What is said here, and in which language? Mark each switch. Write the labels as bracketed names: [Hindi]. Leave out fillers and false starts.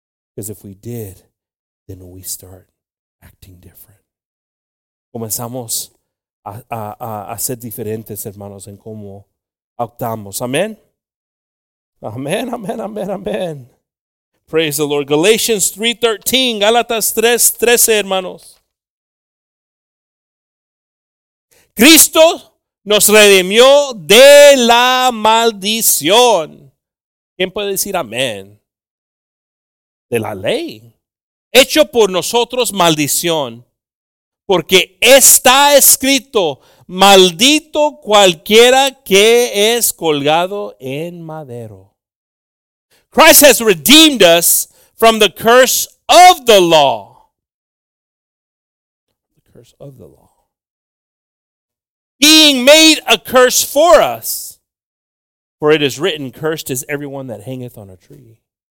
[English] Because if we did, then we start acting different. [Spanish] Comenzamos a ser diferentes, hermanos, en cómo actuamos. Amén. Amén, amén, amén, amén. [English] Praise the Lord. Galatians 3:13. [Spanish] Galatas 3:13, hermanos. Cristo nos redimió de la maldición. ¿Quién puede decir amén? De la ley. Hecho por nosotros maldición. Porque está escrito, maldito cualquiera que es colgado en madero. [English] Christ has redeemed us from the curse of the law. The curse of the law. Being made a curse for us. For it is written, cursed is everyone that hangeth on a tree.